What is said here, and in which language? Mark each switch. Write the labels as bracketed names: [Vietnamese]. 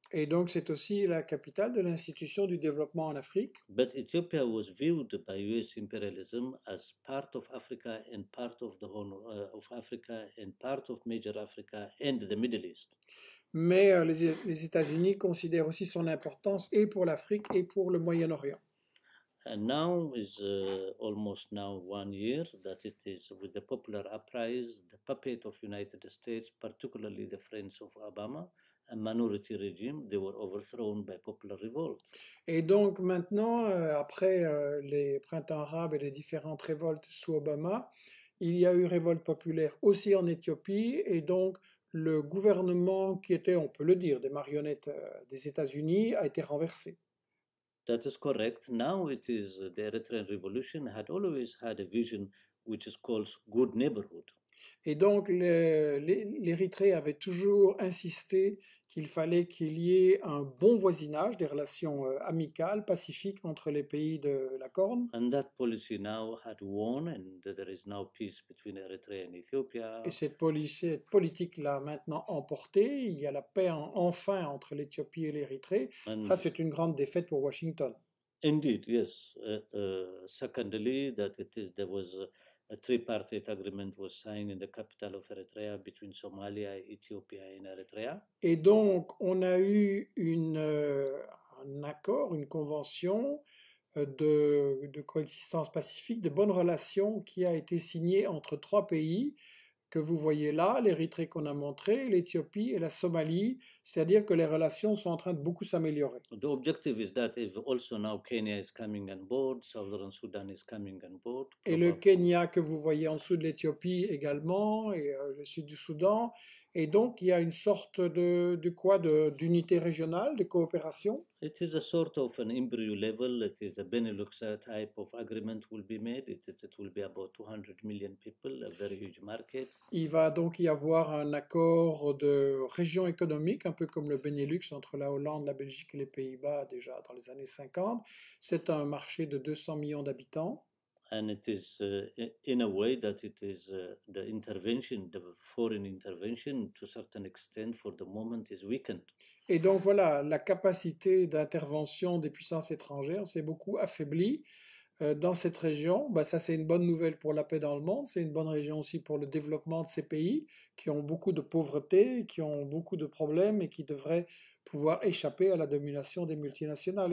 [French] Et donc c'est aussi la capitale de l'institution du développement en Afrique. [English] But Ethiopia was viewed by US imperialism as part of Africa and part of the Horn of Africa and part of major Africa and the Middle East. [French] Mais les États-Unis considèrent aussi son importance et pour l'Afrique et pour le Moyen-Orient. [English] And now is almost now 1 year that it is with the popular uprising, the puppet of United States, particularly the friends of Obama. A minority regime, they were overthrown by popular revolt. [French] Et donc maintenant, après les printemps arabes et les différentes révoltes sous Obama, il y a eu révolte populaire aussi en Éthiopie, et donc le gouvernement qui était, on peut le dire, des marionnettes des États-Unis a été renversé. [English] That is correct. Now it is the Eritrean revolution had always had a vision which is called good neighborhood. [French] Et donc l'Érythrée avait toujours insisté qu'il fallait qu'il y ait un bon voisinage, des relations amicales, pacifiques entre les pays de la Corne. [English] And that policy now had won and there is now peace between Eritrea and Ethiopia. [French] Et cette politique l'a maintenant emportée, il y a la paix enfin entre l'Éthiopie et l'Érythrée. Ça c'est une grande défaite pour Washington. [English] Indeed, yes. Secondly, that it is, there was... A tripartite agreement was signed in the capital of Eritrea between Somalia, Ethiopia and Eritrea. [French] Et donc, on a eu un accord, une convention de coexistence pacifique, de bonnes relations qui a été signée entre trois pays que vous voyez là, l'Érythrée qu'on a montré, l'Éthiopie et la Somalie, c'est-à-dire que les relations sont en train de beaucoup s'améliorer. [English] The objective is that if also now Kenya is coming on board, Southern Sudan is coming on board. Probably. [French] Et le Kenya que vous voyez en dessous de l'Éthiopie également, et le sud du Soudan, et donc il y a une sorte d'unité régionale, de coopération. [English] It is a sort of an embryo level, it is a Benelux type of agreement will be made, it will be about 200 million people, a very huge market. [French] Il va donc y avoir un accord de région économique, un peu comme le Benelux entre la Hollande, la Belgique et les Pays-Bas déjà dans les années 50. C'est un marché de 200 millions d'habitants. [English] And it is in a way that it is the intervention, the foreign intervention to a certain extent for the moment is weakened. [French] Et donc voilà, la capacité d'intervention des puissances étrangères s'est beaucoup affaiblie dans cette région. Ben, ça c'est une bonne nouvelle pour la paix dans le monde, c'est une bonne région aussi pour le développement de ces pays qui ont beaucoup de pauvreté, qui ont beaucoup de problèmes et qui devraient pouvoir échapper à la domination des multinationales.